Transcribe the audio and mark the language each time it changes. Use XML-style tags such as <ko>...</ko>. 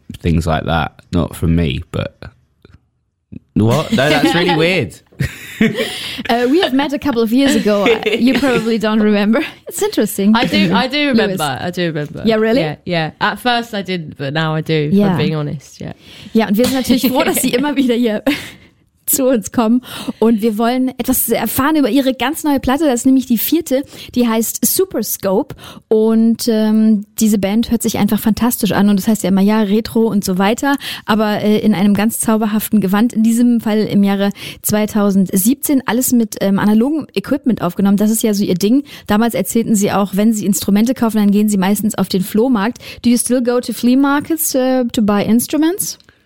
<en>Things like that. Not from me, but... What? No, that's really weird. We have met a couple of years ago. You probably don't remember. It's interesting. I do remember. Lewis. I do remember. Yeah, really? Yeah. At first I didn't, but now I do, if I'm being honest. Yeah.</en> <de>Ja, und wir sind natürlich froh, dass Sie immer wieder hier zu uns kommen. Und wir wollen etwas erfahren über Ihre ganz neue Platte. Das ist nämlich die vierte. Die heißt Super Scope. Und diese Band hört sich einfach fantastisch an. Und das heißt ja immer, ja, Retro und so weiter. Aber in einem ganz zauberhaften Gewand. In diesem Fall im Jahre 2017. Alles mit analogem Equipment aufgenommen. Das ist ja so Ihr Ding. Damals erzählten Sie auch, wenn Sie Instrumente kaufen, dann gehen Sie meistens auf den Flohmarkt.</de> <en>Do you still go to flea markets to buy instruments?</en>